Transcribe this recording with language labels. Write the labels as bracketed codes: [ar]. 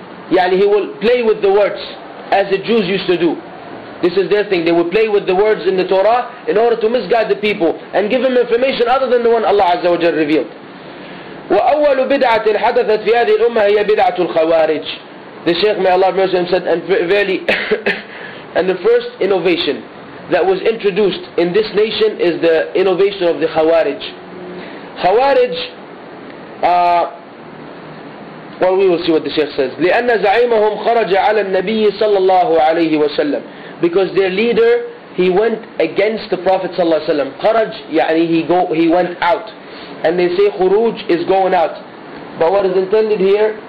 [en] Yani, he will play with the words, as the Jews used to do. This is their thing. They will play with the words in the Torah in order to misguide the people and give them information other than the one Allah Azza wa Jalla revealed. [ar] وأول بدعة حدثت في هذه الأمة هي بدعة الخوارج. [en] The Shaykh, may Allah mercy him, said, and verily, and the first innovation that was introduced in this nation is the innovation of the Khawarij. Khawarij, well, we will see what the Shaykh says. [ar] لأن زعيمهم خرج على النبي صلى الله عليه وسلم. [en] Because their leader, he went against the Prophet [ar] صلى الله عليه وسلم. خرج, يعني [en] he went out. And they say khuruj is going out. But what is intended here?